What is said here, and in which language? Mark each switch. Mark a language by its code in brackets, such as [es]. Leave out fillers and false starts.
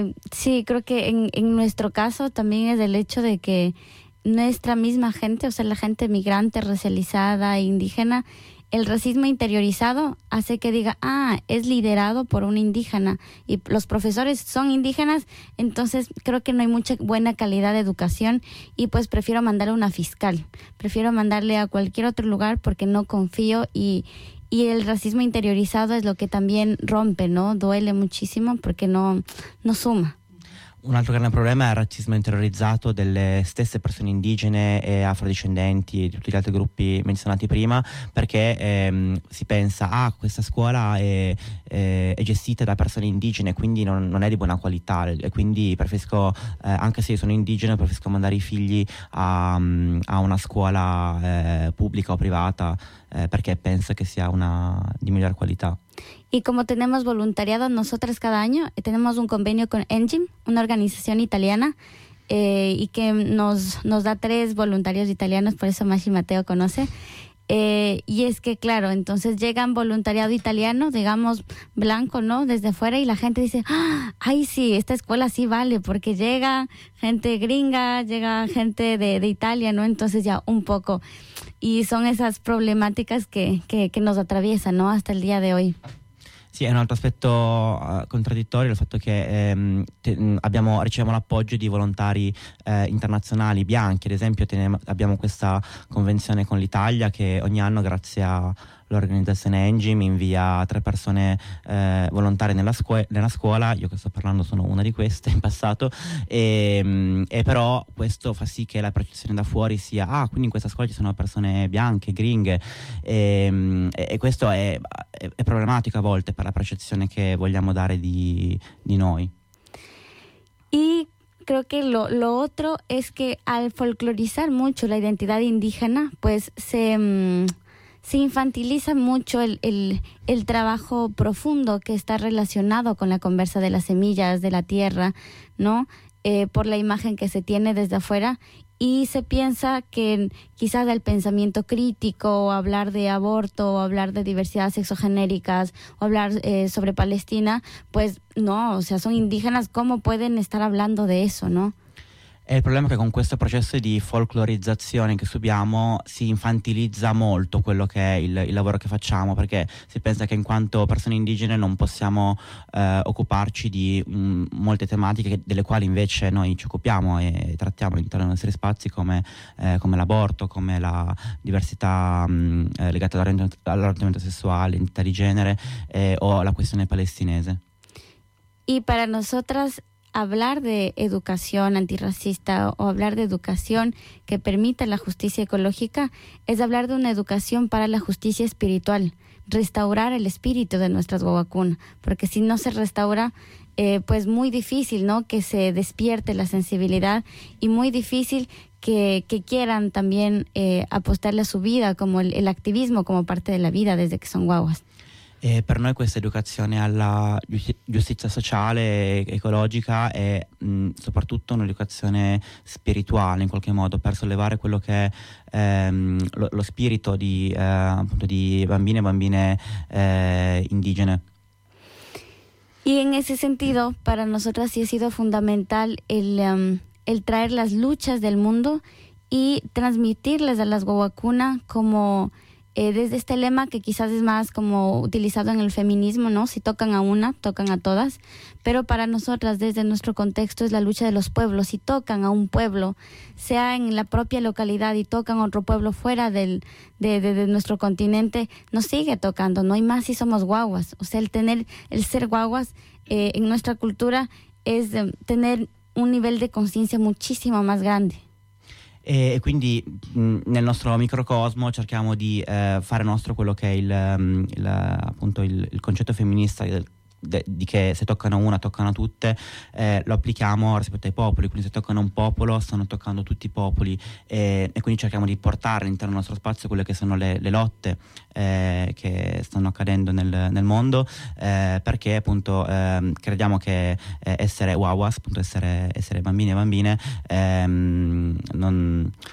[es] Sí, creo que en nuestro caso también es el hecho de que nuestra misma gente, o sea, la gente migrante, racializada, indígena, el racismo interiorizado hace que diga, es liderado por un indígena y los profesores son indígenas, entonces creo que no hay mucha buena calidad de educación y pues prefiero mandarle a una fiscal, prefiero mandarle a cualquier otro lugar porque no confío y el racismo interiorizado es lo que también rompe, ¿no? Duele muchísimo porque no suma. [it] Un altro grande problema è il razzismo interiorizzato delle stesse persone indigene e afrodiscendenti e di tutti gli altri gruppi menzionati prima, perché si pensa, questa scuola è gestita da persone indigene, quindi non è di buona qualità, e quindi preferisco, anche se io sono indigeno, preferisco mandare i figli a una scuola pubblica o privata, perché penso che sia una di miglior qualità. [es] Y como tenemos voluntariado nosotras cada año, tenemos un convenio con ENGIM, una organización italiana, y que nos da 3 voluntarios italianos, por eso Maxi Mateo conoce. Y es que, claro, entonces llegan voluntariado italiano, digamos, blanco, ¿no?, desde fuera, y la gente dice, ¡ay, sí, esta escuela sí vale!, porque llega gente gringa, llega gente de Italia, ¿no? Entonces ya un poco. Y son esas problemáticas que nos atraviesan, ¿no?, hasta el día de hoy. [it] Sì, è un altro aspetto contraddittorio, il fatto che riceviamo l'appoggio di volontari internazionali bianchi. Ad esempio abbiamo questa convenzione con l'Italia, che ogni anno, grazie all'organizzazione ENGIM, invia 3 persone volontarie nella scuola. Io che sto parlando sono una di queste in passato, e però questo fa sì che la percezione da fuori sia, quindi in questa scuola ci sono persone bianche, gringhe, e questo è problematico a volte per la percezione che vogliamo dare di noi. [es] E creo que lo otro es que al folclorizar mucho la identidad indígena, pues se infantiliza mucho el trabajo profundo que está relacionado con la conversa de las semillas, de la tierra, ¿no? Por la imagen que se tiene desde afuera. Y se piensa que quizás el pensamiento crítico, o hablar de aborto, o hablar de diversidad sexogenéricas, o hablar sobre Palestina, pues no, o sea, son indígenas, ¿cómo pueden estar hablando de eso, no? [it] E il problema è che con questo processo di folclorizzazione che subiamo si infantilizza molto quello che è il lavoro che facciamo, perché si pensa che in quanto persone indigene non possiamo occuparci di molte tematiche delle quali invece noi ci occupiamo e trattiamo all'interno dei nostri spazi, come l'aborto, come la diversità legata all'orientamento sessuale, identità di genere o la questione palestinese. E per [es] nosotras hablar de educación antirracista o hablar de educación que permita la justicia ecológica es hablar de una educación para la justicia espiritual, restaurar el espíritu de nuestras wawakun, porque si no se restaura, pues muy difícil, ¿no?, que se despierte la sensibilidad, y muy difícil que quieran también apostarle a su vida, como el activismo, como parte de la vida desde que son guaguas. [it] E per noi questa educazione alla giustizia sociale, ecologica, è soprattutto un'educazione spirituale, in qualche modo, per sollevare quello che è lo spirito di bambine e bambine indigene. [es] Y en ese sentido, para nosotras sí ha sido fundamental el traer las luchas del mundo y transmitirlas a las wawakuna como... desde este lema que quizás es más como utilizado en el feminismo, ¿no? Si tocan a una, tocan a todas. Pero para nosotras, desde nuestro contexto, es la lucha de los pueblos. Si tocan a un pueblo, sea en la propia localidad, y tocan a otro pueblo fuera de nuestro continente, nos sigue tocando, ¿no? Y más si somos guaguas. O sea, el ser guaguas en nuestra cultura es tener [it] un livello di conscienza moltissimo più grande. E quindi nel nostro microcosmo cerchiamo di fare nostro quello che è il concetto femminista di che se toccano una toccano tutte, lo applichiamo rispetto ai popoli, quindi se toccano un popolo stanno toccando tutti i popoli, e quindi cerchiamo di portare all'interno del nostro spazio quelle che sono le lotte che stanno accadendo nel mondo, perché appunto crediamo che essere wawas, appunto essere bambini e bambine, non,